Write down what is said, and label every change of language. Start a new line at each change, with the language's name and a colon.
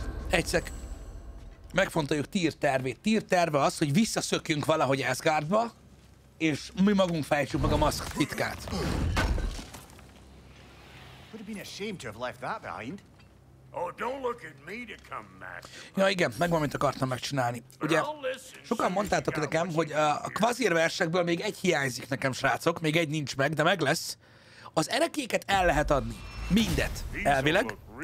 Hungarian: Egyszer megfontoljuk Tyr tervét. Tyr terve az, hogy visszaszökjünk valahogy Asgardba, és mi magunk fejtsük meg a maszk titkát.
English: Would have been a shame to have left that behind. Oh, don't look at me to come, master.
Hungarian: Ja, igen, megvan, mint akartam megcsinálni. Ugye, sokan mondtátok nekem, hogy a kvazír versekből még egy hiányzik nekem, srácok, még egy nincs meg, de meg lesz. Az erekéket el lehet adni. Mindet, elvileg.